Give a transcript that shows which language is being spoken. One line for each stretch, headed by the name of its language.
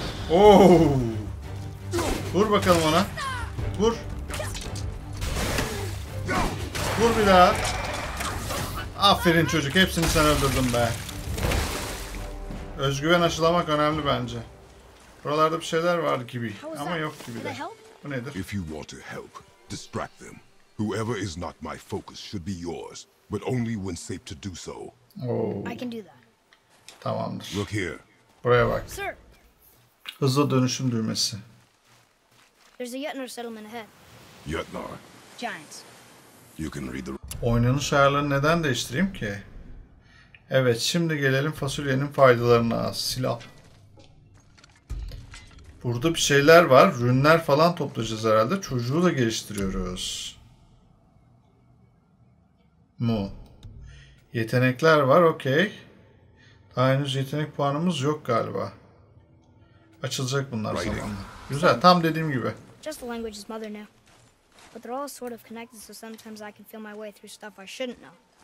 Turkish: Oo. Vur bakalım ona. Vur. Vur bir daha. Aferin çocuk. Hepsini sen öldürdün be. Özgüven aşılamak önemli bence. Buralarda bir şeyler var gibi ama yok gibi de. Bu nedir?
English: If you want to help, distract them. Whoever is not my focus should be yours, but only when safe to do so. I can do that.
Turkish: Tamamdır.
English: Look here.
Turkish: Buraya bak. Sir. Hızlı dönüşüm düğmesi.
English: There's a Yetnar settlement ahead. Yetnar. Giants. You can read the.
Turkish: Oynanış ayarlarını neden değiştireyim ki? Evet, şimdi gelelim fasulyenin faydalarına. Silah. Burada bir şeyler var. Rünler falan toplayacağız herhalde. Çocuğu da geliştiriyoruz. Mu. Yetenekler var. Okey. Daha henüz yetenek puanımız yok galiba. Açılacak bunlar zamanla. Güzel. Tam dediğim gibi.
English: Just the language is mother now. But they're all sort of connected, so sometimes I can feel my way through stuff I shouldn't know.